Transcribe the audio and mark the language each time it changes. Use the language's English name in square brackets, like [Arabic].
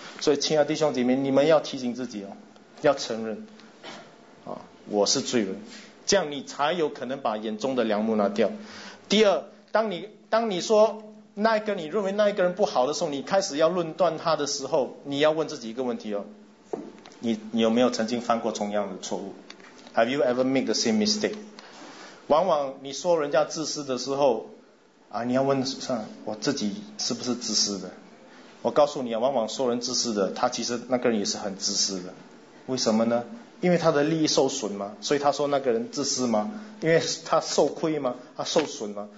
[Chinese] 所以亲爱的弟兄姐妹，你们要提醒自己哦，要承认我是罪人，这样你才有可能把眼中的良木拿掉。第二，当你说那个你认为那一个人不好的时候，你开始要论断他的时候，你要问自己一个问题哦，你有没有曾经犯过同样的错误？ [English] Have you ever made the same mistake？ [Chinese] 往往你说人家自私的时候啊，你要问上我自己是不是自私的。我告诉你啊，往往说人自私的，他其实那个人也是很自私的。为什么呢？因为他的利益受损嘛，所以他说那个人自私吗？因为他受亏吗？他受损吗？